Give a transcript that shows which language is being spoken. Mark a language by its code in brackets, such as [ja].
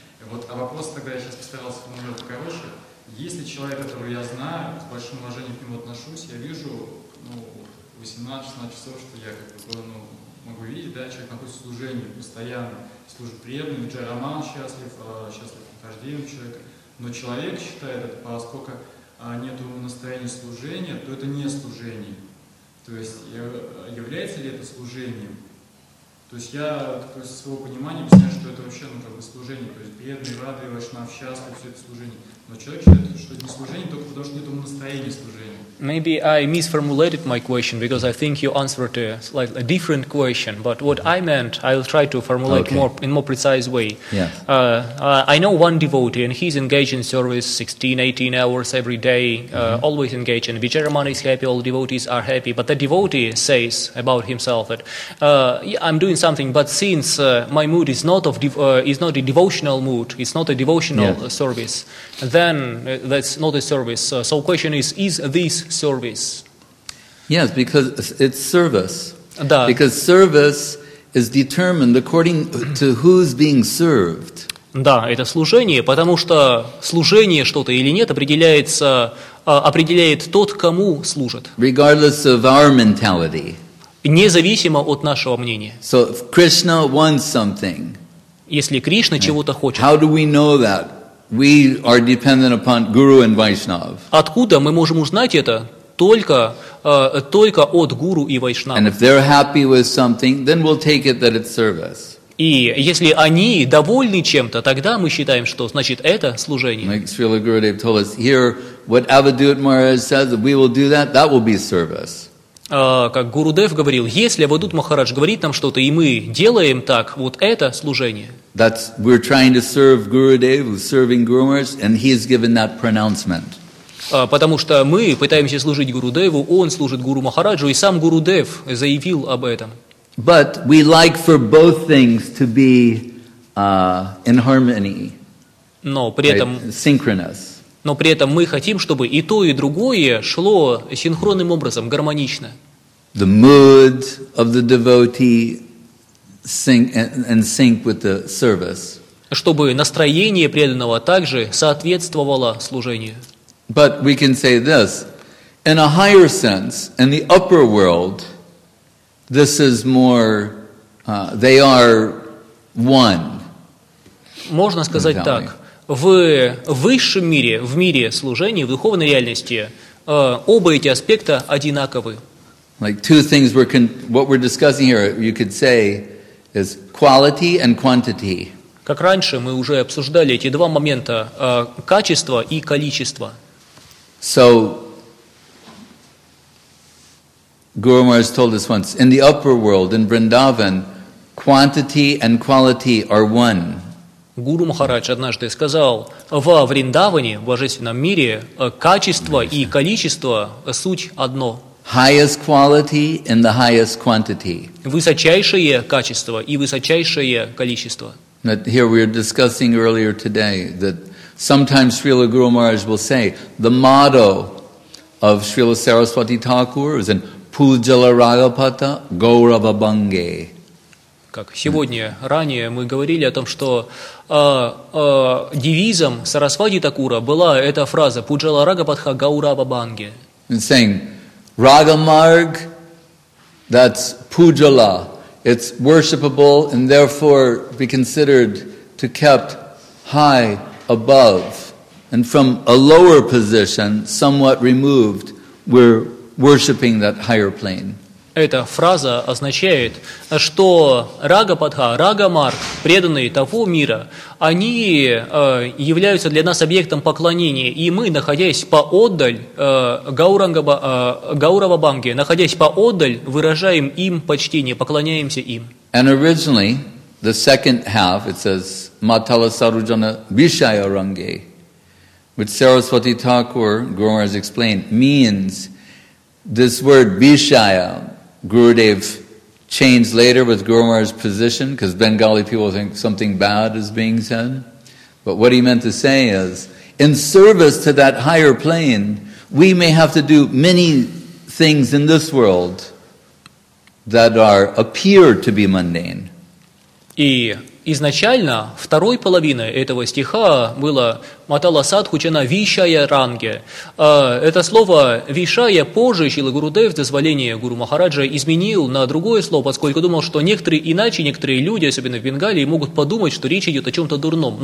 [ru] Вот, а вопрос тогда я сейчас постарался сформулировать короче. Если человек, которого я знаю, с большим уважением к нему отношусь, я вижу, 18-16 часов, что я могу видеть, да, человек находится в служении постоянно, служит преданным, Джай Роман счастлив, счастлив прохождением человека, но человек считает это, поскольку нет у него настроения служения, то это не служение. То есть является ли это служением? То есть я такое со своего понимания объясняю, что это вообще служение, то есть преданный, радый, вайшнав, счастлив, все это служение. Но человек считает, что это не служение, только потому что нет у него настроения служения. [en] Maybe I misformulated my question because I think you answered a slightly different question. But what I meant, I'll try to formulate more precise way. Yes. I know one devotee and he's engaged in service 16, 18 hours every day, always engaged. And Vijayaraman is happy, all devotees are happy. But the devotee says about himself that I'm doing something, but since my mood is not of is not a devotional mood, it's not a devotional service, then that's not a service. So question is this service? Yes, because it's service. [ru] Da. [en] Because service is determined according to who's being served. [ru] Да, это служение, потому что служение что-то или нет определяется, определяет тот, кому служит. [en] Regardless of our mentality. [ru] Независимо от нашего мнения. [en] So if Krishna wants something. [ru] Если Кришна чего-то хочет. [en] How do we know that? We are dependent upon Guru and Vaishnav. [ru] Откуда мы можем узнать это? Только от Гуру и Вайшнава. [en] And if they're happy with something, then we'll take it that it's service. [ru] И если они довольны чем-то, тогда мы считаем, что значит это служение. [en] Like Srila Gurudev told us here, what Avadhut Maharaj says, we will do that. That will be service. [ru] Как Гурудев говорил, если Авадут Махарадж говорит нам что-то, и мы делаем так, вот это служение. [en] That's, we're trying to serve Gurudev, serving Guru Maharaj, and he's given that pronouncement. [ru] Потому что мы пытаемся служить Гурудеву, он служит Гуру Махараджу, и сам Гурудев заявил об этом. [en] But we like for both things to be in harmony. [ru] Но при этом... [en] Right? Synchronous. [ru] Но при этом мы хотим, чтобы и то, и другое шло синхронным образом, гармонично. [en] The mood of the devotee sync and sync with the service. [ru] Чтобы настроение преданного также соответствовало служению. [en] But we can say this. In a higher sense, in the upper world, this is more, they are one. [ru] Можно сказать так. В высшем мире, в мире служения, в духовной реальности, оба эти аспекта одинаковы. [en] Like two things we're what we're discussing here, you could say, is quality and quantity. [ru] Как раньше мы уже обсуждали эти два момента, качество и количество. [en] So, Guru Maharaj told us once, in the upper world, in Vrindavan, quantity and quality are one. [ru] Гуру Махарадж однажды сказал, во Вриндаване, в божественном мире, качество и количество – суть одно. [en] Highest quality and the highest quantity. [ru] Высочайшее качество и высочайшее количество. [en] That here we were discussing earlier today that sometimes Srila Guru Maharaj will say the motto of Srila Saraswati Thakur is in Pujala Ragapata Gaurava Bhange. [ru] Как сегодня, ранее мы говорили о том, что девизом Сарасвати Такура была эта фраза «Пуджала Рага Патха Гаурава Банге». [en] It's saying, Рага Марг, that's Пуджала, it's worshipable and therefore be considered to kept high above. And from a lower position, somewhat removed, we're worshipping that higher plane. [ru] Эта фраза означает, что рага-падха, рага-марг, преданные того мира, они являются для нас объектом поклонения, и мы, находясь поодаль Гаурава-банги, находясь поодаль, выражаем им почтение, поклоняемся им. [en] And originally, the second half, it says, Matala Sarujana Vishaya-ранге, which Saraswati Thakur, Guru has explained, means this word Vishaya, Gurudev changed later with Guru Maharaj's position because Bengali people think something bad is being said. But what he meant to say is, in service to that higher plane, we may have to do many things in this world that are appear to be mundane. [ru] И изначально второй половины этого стиха было Матала Садхучана Вишая Ранге. Это слово Вишая позже Шрила Гурудев, дозволение Гуру Махараджа, изменил на другое слово, поскольку думал, что некоторые иначе, некоторые люди, особенно в Бенгалии, могут подумать, что речь идет о чем-то дурном.